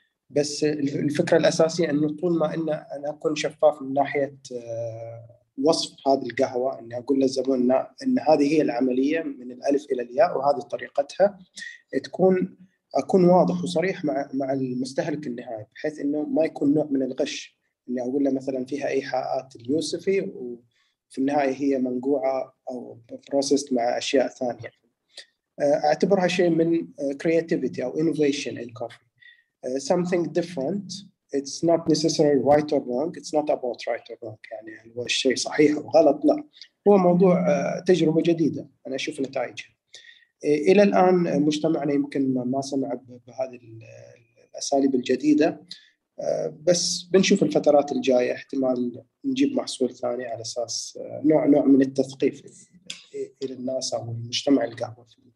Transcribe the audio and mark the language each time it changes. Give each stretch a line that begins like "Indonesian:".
Arabic: بس الفكرة الأساسية إنه طول ما إن أنا أكون شفاف من ناحية وصف هذه القهوة، إني أقول للزبون إن هذه هي العملية من الألف إلى الياء وهذه طريقتها، تكون أكون واضح وصريح مع المستهلك النهائي، بحيث إنه ما يكون نوع من الغش، إني أقول له مثلاً فيها إيحاءات اليوسفي وفي النهاية هي منقوعة أو بروسيست مع أشياء ثانية. أعتبرها شيء من creativity أو
English: innovation in coffee. Something different. It's not necessarily right or wrong. It's not about right or wrong.
Arabic: يعني هو الشيء صحيح أو غلط، لا. هو موضوع تجربة جديدة، أنا أشوف نتائجها. إلى الآن مجتمعنا يمكن ما سمع بهذه الأساليب الجديدة، بس بنشوف الفترات الجاية احتمال نجيب محصول ثاني على أساس نوع من التثقيف إلى الناس أو المجتمع القهوة